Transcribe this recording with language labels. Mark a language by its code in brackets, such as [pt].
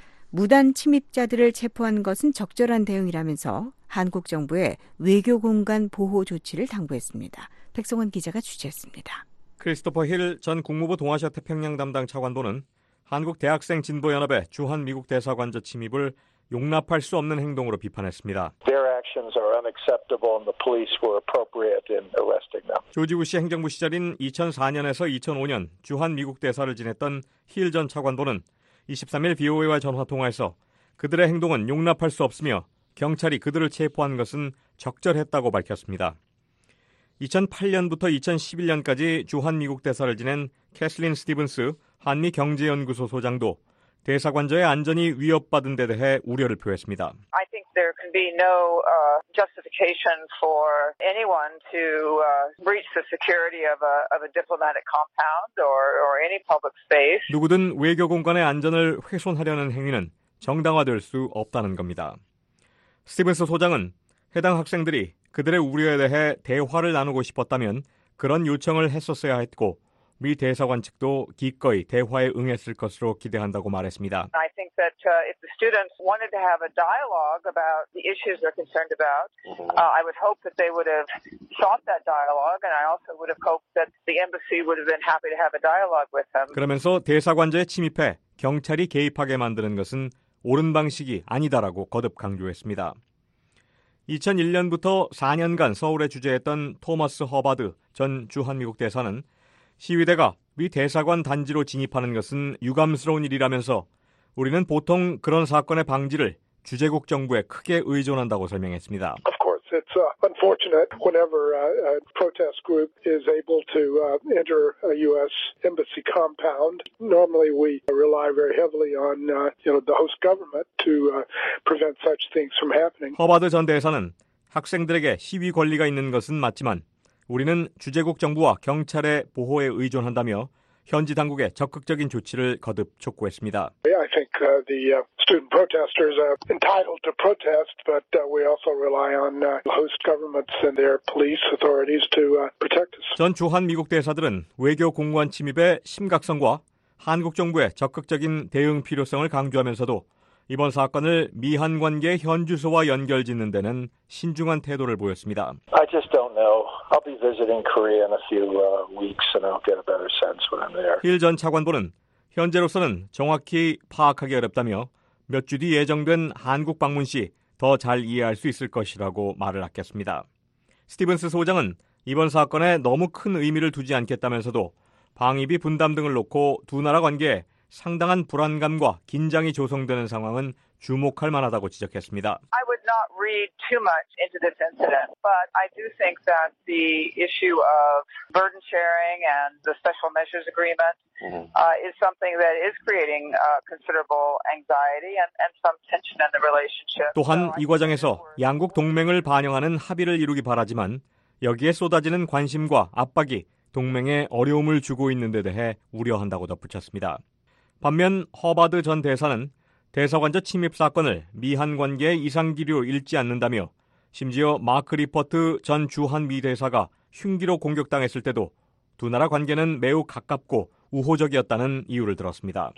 [ko] 무단 침입자들을 체포한 것은 적절한 대응이라면서 한국 정부에 외교 공간 보호 조치를 당부했습니다. 백성원 기자가 취재했습니다. 크리스토퍼 힐 전 국무부 동아시아 태평양 담당 차관보는 한국 대학생 진보연합의 주한 미국 대사관저 침입을 용납할 수 없는 행동으로 비판했습니다. [en] Their actions are unacceptable and the police were appropriate in arresting them. [ko] 조지 부시 행정부 시절인 2004년에서 2005년 주한 미국 대사를 지냈던 힐 전 차관보는 23일 VOA와 전화 통화에서 그들의 행동은 용납할 수 없으며 경찰이 그들을 체포한 것은 적절했다고 밝혔습니다. 2008년부터 2011년까지 주한 미국 대사를 지낸 캐슬린 스티븐스 한미 경제연구소 소장도 대사관저의 안전이 위협받은 데 대해 우려를 표했습니다. [en] I think there can be no justification for anyone to breach the security of a diplomatic compound or any public space. [ko] 누구든 외교 공간의 안전을 훼손하려는 행위는 정당화될 수 없다는 겁니다. 스티븐스 소장은 해당 학생들이 그들의 우려에 대해 대화를 나누고 싶었다면 그런 요청을 했었어야 했고 미 대사관 측도 기꺼이 대화에 응했을 것으로 기대한다고 말했습니다. [en] I think that if the students wanted to have a dialogue about the issues they're concerned about, I would hope that they would have sought that dialogue, and I also would have hoped that the embassy would have been happy to have a dialogue with them. [ko] 그러면서 대사관저에 침입해 경찰이 개입하게 만드는 것은 옳은 방식이 아니다라고 거듭 강조했습니다. 2001년부터 4년간 서울에 주재했던 토마스 허바드 전 주한미국 대사는 시위대가 미 대사관 단지로 진입하는 것은 유감스러운 일이라면서 우리는 보통 그런 사건의 방지를 주재국 정부에 크게 의존한다고 설명했습니다. [en] Of course, it's unfortunate whenever a protest group is able to enter a U.S. embassy compound. Normally, we rely very heavily on the host government to prevent such things from happening. [ko] 허바드 전 대사는 학생들에게 시위 권리가 있는 것은 맞지만 우리는 주재국 정부와 경찰의 보호에 의존한다며 현지 당국의 적극적인 조치를 거듭 촉구했습니다. [en] I think the student protesters are entitled to protest, but we also rely on host governments and their police authorities to protect us. [ko] 전 주한 미국 대사들은 외교 공관 침입의 심각성과 한국 정부의 적극적인 대응 필요성을 강조하면서도 이번 사건을 미한 관계 현주소와 연결 짓는 데는 신중한 태도를 보였습니다. [en] I just don't know. I'll be visiting Korea in a few weeks and I'll get a better sense when I'm there. [ko] 힐 전 차관보는 현재로서는 정확히 파악하기 어렵다며 몇 주 뒤 예정된 한국 방문 시 더 잘 이해할 수 있을 것이라고 말을 아꼈습니다. 스티븐스 소장은 이번 사건에 너무 큰 의미를 두지 않겠다면서도 방위비 분담 등을 놓고 두 나라 관계에 상당한 불안감과 긴장이 조성되는 상황은 주목할 만하다고 지적했습니다. [en] I would not read too much into this incident, but I do think that the issue of burden sharing and the special measures agreement is something that is creating considerable anxiety and some tension in the relationship. [ko] 또한 이 과정에서 양국 동맹을 반영하는 합의를 이루기 바라지만 여기에 쏟아지는 관심과 압박이 동맹에 어려움을 주고 있는 데 대해 우려한다고 덧붙였습니다. 반면 허바드 전 대사는 대사관저 침입 사건을 미한 관계의 이상 기류로 읽지 않는다며 심지어 마크 리퍼트 전 주한 미 대사가 흉기로 공격당했을 때도 두 나라 관계는 매우 가깝고 우호적이었다는 이유를 들었습니다.